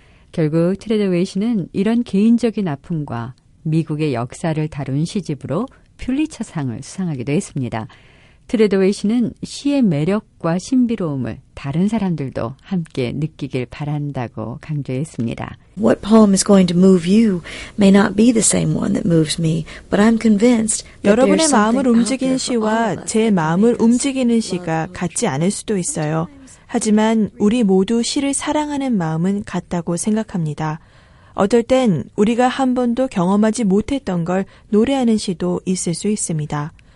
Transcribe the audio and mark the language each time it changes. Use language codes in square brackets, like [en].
[ko] 결국 트레더웨이 씨는 이런 개인적인 아픔과 미국의 역사를 다룬 시집으로 퓰리처상을 수상하기도 했습니다. 트레더웨이 씨는 시의 매력과 신비로움을 다른 사람들도 함께 느끼길 바란다고 강조했습니다. [en] What poem is going to move you may not be the same one that moves me, but I'm convinced. [ko] 여러분의 마음을 움직인 시와 제 마음을 움직이는 시가 같지 않을 수도 있어요. 하지만 우리 모두 시를 사랑하는 마음은 같다고 생각합니다. 어떨 땐 우리가 한 번도 경험하지 못했던 걸 노래하는 시도 있을 수 있습니다.